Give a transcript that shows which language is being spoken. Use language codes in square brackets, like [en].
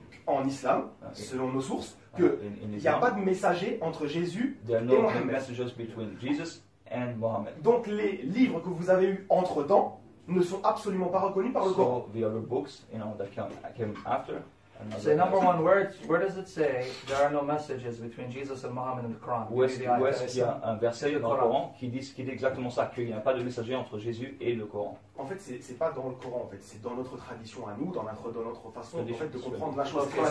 [fr] en islam, selon nos sources, qu'il n'y a pas de messager entre Jésus et Mohammed. [en] There are no messages between Jesus and Mohammed. [fr] Donc les livres que vous avez eus entre-temps ne sont absolument pas reconnus par le Coran. [en] So the other books, you know, that came after... Say number one, where does it say there are no messages between Jesus and Muhammad in the Quran? [fr] Où est-ce qu'il y a un verset dans le Coran qui dit exactement ça, qu'il n'y a pas de messager entre Jésus et le Coran? En fait, c'est pas dans le Coran. En fait, c'est dans notre tradition à nous, dans notre façon en fait, de comprendre la chose.